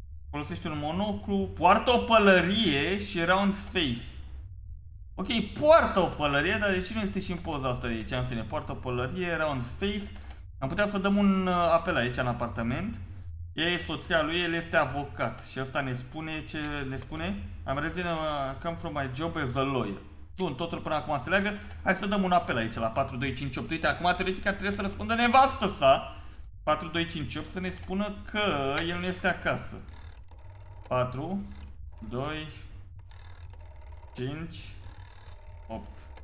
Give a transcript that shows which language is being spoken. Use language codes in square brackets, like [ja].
[ro] Folosește un monoclu. Poartă o pălărie și [en] round face. [ro] Ok, poartă o pălărie, dar de ce nu este și în poza asta de aici? În fine, poartă o pălărie, [en] round face. [ro] Am putea să dăm un apel aici, în apartament. E soția lui, el este avocat. Și ăsta ne spune ce ne spune. [en] I'm resident, come from my job as a lawyer. [ro] Bun, totul până acum se leagă. Hai să dăm un apel aici la 4258. Uite, acum teoretic ar trebui să răspundă nevastă sa 4258 să ne spună că el nu este acasă. 4 2 5 8.